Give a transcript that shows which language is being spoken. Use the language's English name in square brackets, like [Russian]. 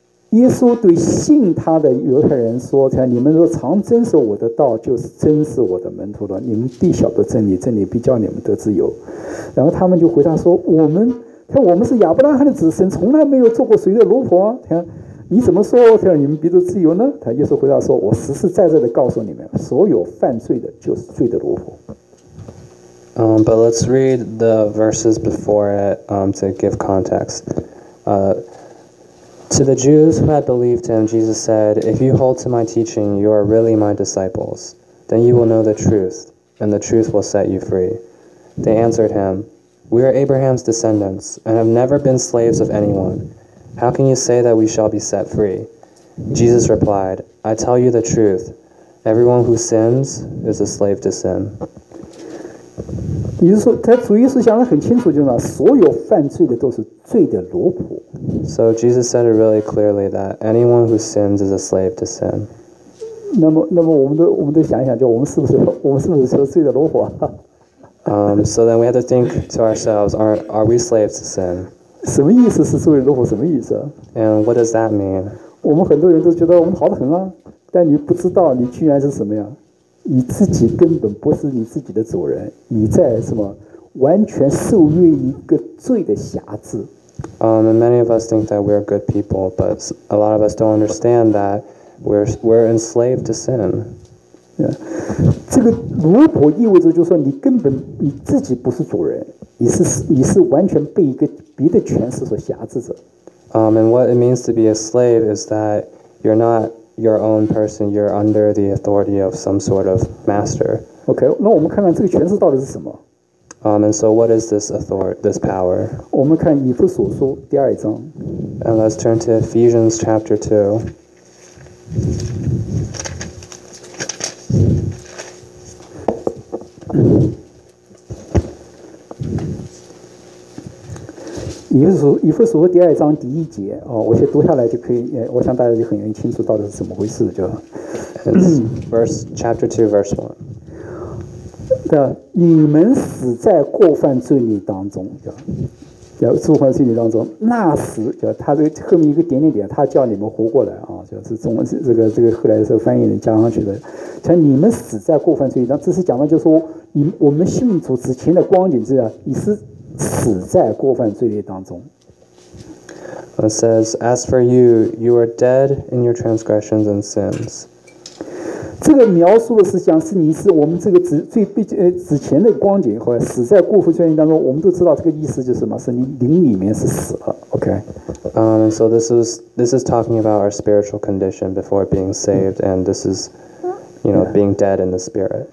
[Chinese] 耶稣对信他的犹太人说，你们若常遵守我的道，就是真是我的门徒了，你们必晓得真理，真理必叫你们得自由。然后他们就回答说，我们是亚伯拉罕的子孙，从来没有做过谁的奴仆，你怎么说你们必得自由呢？他耶稣回答说，我实实在在的告诉你们，所有犯罪的就是罪的奴仆。 [English] But let's read the verses before it to give context. To the Jews who had believed him, Jesus said, If you hold to my teaching, you are really my disciples. Then you will know the truth, and the truth will set you free. They answered him, We are Abraham's descendants and have never been slaves of anyone. How can you say that we shall be set free? Jesus replied, I tell you the truth. Everyone who sins is a slave to sin. [Chinese] 也就是说，他主耶稣讲得很清楚，就是所有犯罪的都是罪的奴仆。 [English] So Jesus said it really clearly that anyone who sins is a slave to sin. [Chinese] 那么我们都想一想，就我们是不是说罪的奴仆啊？ [English] So then we have to think to ourselves, are we slaves to sin? [Chinese] 什么意思是罪的奴仆？什么意思 [English] ？And what does that mean? [Chinese] 我们很多人都觉得我们好得很啊，但你不知道你居然是什么呀？你自己根本不是你自己的主人，你在什么完全受约一个罪的辖制。 [English] And many of us think that we are good people, but a lot of us don't understand that we're enslaved to sin. Yeah. [Chinese] 这个奴仆意味着就是说你根本你自己不是主人，你是完全被一个别的权势所辖制着。 [English] And what it means to be a slave is that you're not. Your own person, you're under the authority of some sort of master. [Chinese] Okay, 那我们看看这个权势到底是什么。 [English] And so what is this authority, this power? [Chinese] 我们看以弗所书第二章。 [English] And let's turn to Ephesians chapter 2. [Chinese] Ephesians 第二章第一节、哦、我先读下来就可以，我想大家就很容易清楚到底是怎么回事就。 [English] Verse, chapter 2, verse 1. [Chinese] 你们死在过犯罪孽当中，过犯罪孽当中，那时他这后面一个点点点，他叫你们活过来、啊、就是中文这个后来是翻译人加上去的，像你们死在过犯罪孽当中，这是讲的就是说你我们信主之前的光景是你是。死在过犯罪孽当中。 [English] It says, "As for you, you are dead in your transgressions and sins." [Chinese] 这个描述的是讲是你是我们这个之前的光景，或者死在过犯罪孽当中。我们都知道这个意思就是什么，是你灵里面是死了。 OK. [English] So this is talking about our spiritual condition before being saved, and this is. You know, being dead in the spirit.